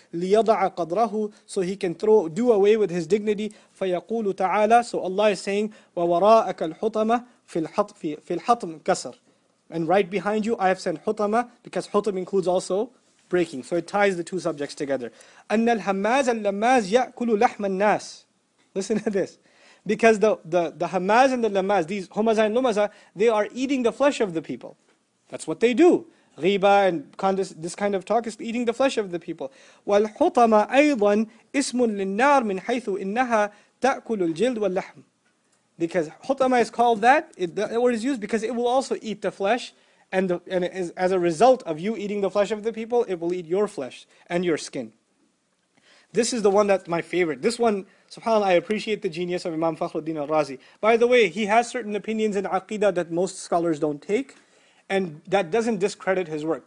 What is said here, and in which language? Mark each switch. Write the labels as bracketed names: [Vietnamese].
[Arabic] Liyada'a qadrahu, [English] so he can do away with his dignity. [Arabic] Fayaqulu ta'ala, [English] so Allah is saying, [Arabic] wa wara'aka al-hutama fil-hatm kasr. [English] And right behind you I have sent hutama, because hutam includes also breaking. So it ties the two subjects together. [Arabic] أن الهماز اللماز يأكل لحم الناس. [English] Listen to this. Because the hamaz and the lamaz, these humaza and lumaza, they are eating the flesh of the people. That's what they do. Ghiba and this kind of talk is eating the flesh of the people. [Arabic] والحطمة أيضا اسم للنار من حيث إنها تأكل الجلد واللحم. [English] Because حطمة is called that, the word is used because it will also eat the flesh. And as a result of you eating the flesh of the people, it will eat your flesh and your skin. This is the one that's my favorite. This one SubhanAllah, I appreciate the genius of Imam Fakhruddin al-Razi. By the way, he has certain opinions in Aqidah that most scholars don't take, and that doesn't discredit his work.